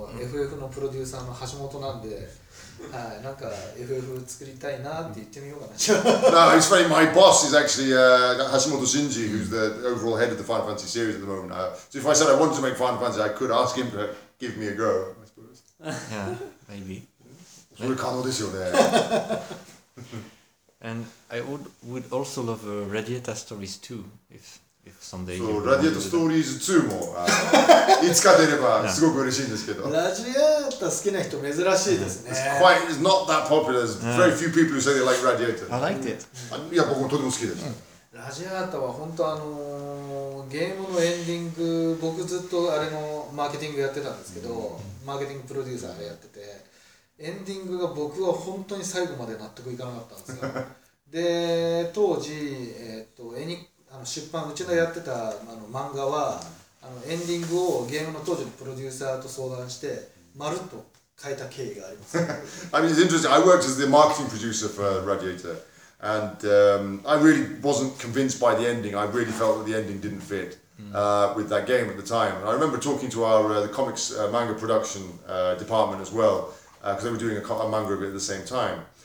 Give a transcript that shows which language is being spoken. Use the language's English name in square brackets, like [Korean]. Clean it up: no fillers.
[Japanese] FF のプロデューサーの橋本なんで、はい、なんか FF 作りたいなって言ってみようかな。 [English] No, it's funny. My boss is actually Hashimoto Shinji, who's the overall head of the Final Fantasy series at the moment. So if I said I wanted to make Final Fantasy, I could ask him to give me a go, I suppose. Yeah, maybe. [Japanese] それ可能ですよね。 [English] And I would also love a Radiata Stories too, if. Someday [Japanese] そう、ラジエータストーリーズ2もいつか出ればすごく嬉しいんですけど。ラジエータ好きな人珍しいですね。 [English] It's quite, it's not that popular. There's very few people who say they like ラジエータ。 I liked it. [Japanese] いや、僕もとても好きです。ラジエータは本当ゲームのエンディング、僕ずっとあれのマーケティングやってたんですけど、マーケティングプロデューサーでやってて、エンディングが僕は本当に最後まで納得いかなかったんですよ。で、当時、エニック出版うちのやってた漫画はエンディングをゲームの当時のプロデューサーと相談してまるっと変えた経緯があります。 [English] I mean, it's interesting. I worked as the marketing producer for Radiator, and I really wasn't convinced by the ending. I really felt that the ending didn't fit with that game at the time. And I remember talking to our the comics manga production department as well, because they were doing a manga of it at the same time.